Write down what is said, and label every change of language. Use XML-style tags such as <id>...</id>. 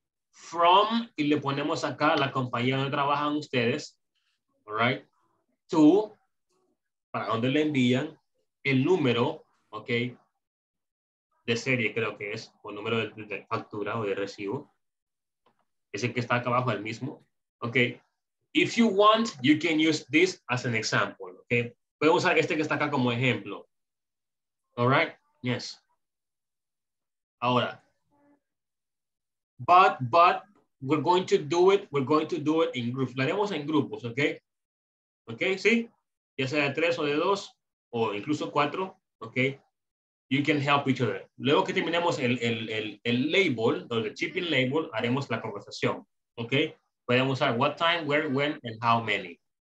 <es>From, y le ponemos acá la compañía donde trabajan ustedes.</es> <en>All right.</en> <es>To, para donde le envían, el número, okay, de serie creo que es, o número de factura o de recibo. Es el que está acá abajo, el mismo.</es> <en>Okay. If you want, you can use this as an example. Okay.</en> <es>Puedo usar este que está acá como ejemplo.</es> <en>All right. Yes. Ahora. But we're going to do it. We're going to do it in groups.</en> <es>Lo haremos en grupos.</es> <en>Okay. Okay. Sí.</en> <es>Ya sea de tres o de dos o incluso cuatro. Okay.</es> <en>You can help each other.</en> <es>Luego que terminemos el label, o el shipping label, haremos la conversación.</es> <en>Okay.</en> <es>Podemos usar what time, where, when, and how many.</es>